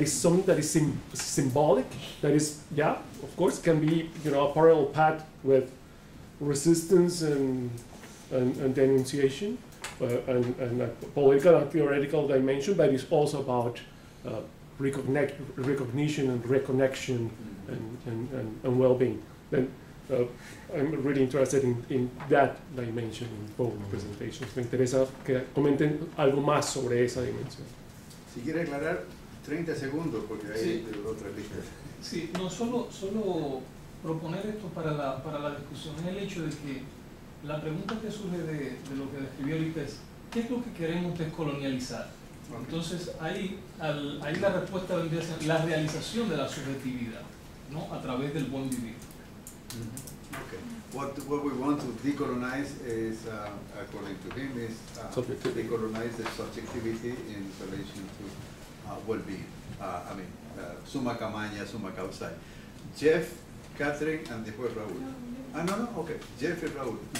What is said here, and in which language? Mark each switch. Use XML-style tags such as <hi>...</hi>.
<en>Is something that is symbolic, that is, yeah, of course, can be, you know, a parallel path with resistance and denunciation and a political and theoretical dimension, but it's also about recognition and reconnection and well-being. Then, I'm really interested in that dimension in both presentations.</en> <es>Me interesa que comenten algo más sobre esa dimensión. Si quiere aclarar, 30 segundos, porque hay otra lista. Sí, no solo proponer esto para la discusión, es el hecho de que la pregunta que surge de lo que describió ahorita es, ¿qué es lo que queremos descolonializar? Okay. Entonces, ahí la respuesta vendría a ser la realización de la subjetividad, ¿no? A través del buen vivir. Mm-hmm. Okay.</es> <en>What we want to decolonize is, according to him, is to decolonize the subjectivity in relation to well-being. Summa camaña, summa causa. Jeff, Catherine, and después Raúl. Okay. Jeff and Raúl.</en>